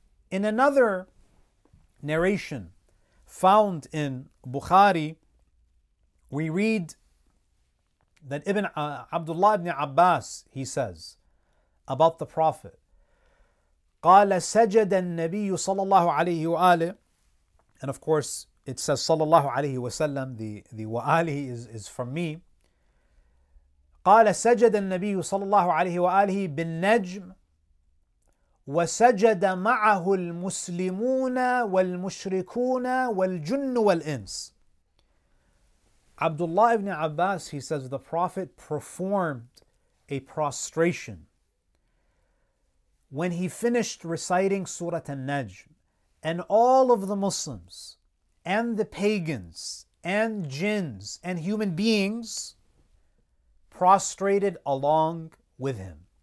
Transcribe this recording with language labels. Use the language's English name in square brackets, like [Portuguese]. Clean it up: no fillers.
[English] In another narration found in Bukhari, we read that Ibn Abdullah ibn Abbas, he says about the Prophet, [Arabic] قال سجد النبي صلى الله عليه وآله, [English] and of course it says [Arabic] صلى الله عليه وسلم, [English] the وآله is from me. [Arabic] قال سجد النبي صلى الله عليه وآله بالنجم وسجد معه المسلمون والمشركون والجن والإنس. [English] Abdullah ibn Abbas, he says, the Prophet performed a prostration when he finished reciting Surah An-Najm, and all of the Muslims and the pagans and jinns and human beings prostrated along with him.